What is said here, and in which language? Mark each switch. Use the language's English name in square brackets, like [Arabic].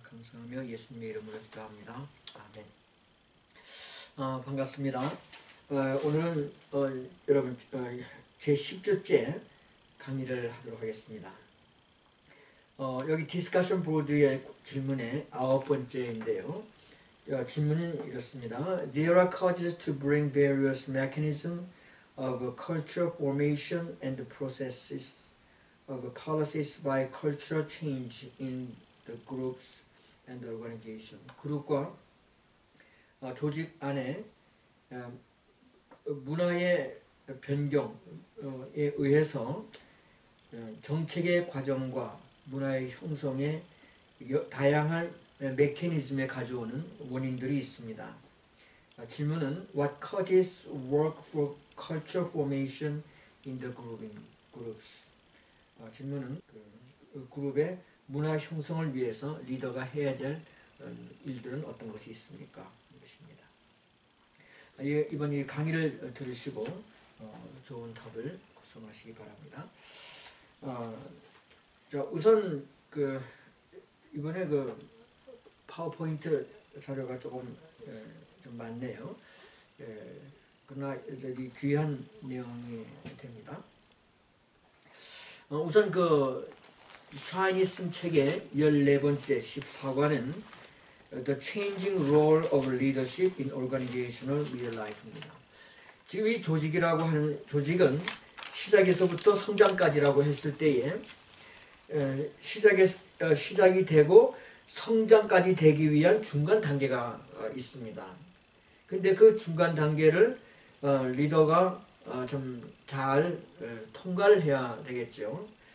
[Korean] 감사하며 예수님의 이름으로 기도합니다. 아멘. 반갑습니다. 오늘 여러분 제 10주째 강의를 하도록 하겠습니다. 여기 디스커션 보드의 질문의 9번째인데요. 질문은 이렇습니다. [English] There are causes to bring various mechanisms of culture formation and processes of policies by cultural change in the groups and organizations. [Korean] 그룹과 조직 안에 문화의 변경에 의해서 정책의 과정과 문화의 형성에 다양한 메커니즘에 가져오는 원인들이 있습니다. 질문은 [English] What causes work for culture formation in the groups? [Korean] 질문은 그룹의 문화 형성을 위해서 리더가 해야 될 일들은 어떤 것이 있습니까? 이것입니다. 이번 이 강의를 들으시고 좋은 답을 구성하시기 바랍니다. 우선 이번에 파워포인트 자료가 조금 좀 많네요. 그러나 여전히 귀한 내용이 됩니다. 우선 샤이니 쓴 책의 14번째 14관은 The Changing Role of Leadership in Organizational Real Life입니다. 지금 이 조직이라고 하는 조직은 시작에서부터 성장까지라고 했을 때에 시작이 되고 성장까지 되기 위한 중간 단계가 있습니다. 근데 그 중간 단계를 리더가 좀 잘 통과를 해야 되겠죠.